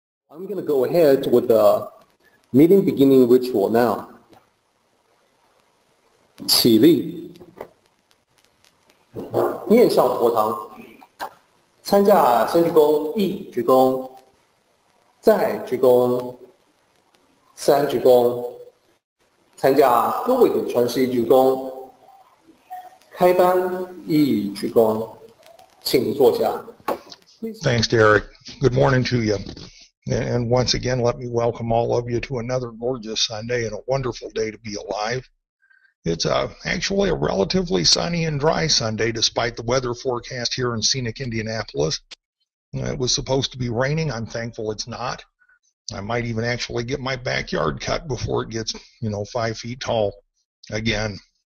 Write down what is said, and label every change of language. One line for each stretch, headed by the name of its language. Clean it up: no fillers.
English: I'm going to go ahead with the meeting beginning ritual now.
Chinese: 起立，面向佛堂，参加先鞠躬，一鞠躬，再鞠躬，三鞠躬，参加各位的传师鞠躬，开班一鞠躬，请坐下。
English: Thanks, Derek. Good morning to you. And once again, let me welcome all of you to another gorgeous Sunday and a wonderful day to be alive. It's actually a relatively sunny and dry Sunday, despite the weather forecast here in scenic Indianapolis. It was supposed to be raining. I'm thankful it's not. I might even actually get my backyard cut before it gets, 5 feet tall again.